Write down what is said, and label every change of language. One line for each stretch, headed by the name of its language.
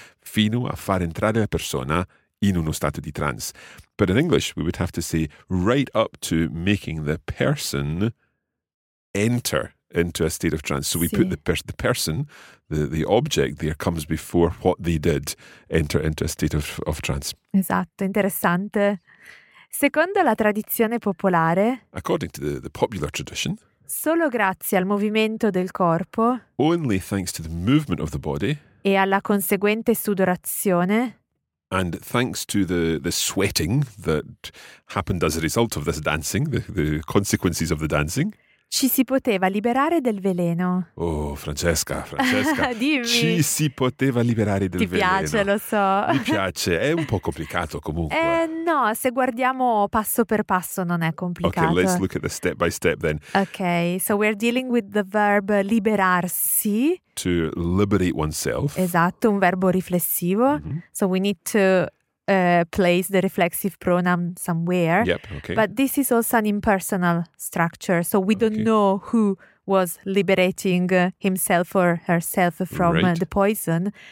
Italian: Fino a far entrare la persona in uno stato di trance.
English: But in English, we would have to say right up to making the person enter into a state of trance. So we
Italian: sì.
English: put the person, the object there comes before what they did, enter into a state of trance.
Italian: Esatto, interessante. Secondo la tradizione popolare,
English: according to the popular tradition,
Italian: solo grazie al movimento del corpo,
English: only thanks to the movement of the body,
Italian: e alla conseguente sudorazione,
English: and thanks to the sweating that happened as a result of this dancing, the consequences of the dancing,
Italian: ci si poteva liberare del veleno. Oh, Francesca. Dimmi. Ci si poteva liberare del veleno. Ti piace, lo so. Mi piace, è un po' complicato comunque. No, se guardiamo passo per passo non è complicato.
English: Okay, let's look at the step by step then. Okay, so we're dealing with the verb liberarsi. To liberate oneself.
Italian: Esatto, un verbo riflessivo. Mm-hmm.
English: So we need to place the reflexive pronoun somewhere. Yep, okay. But this is also an impersonal structure, so we don't know who was liberating himself or herself from the poison.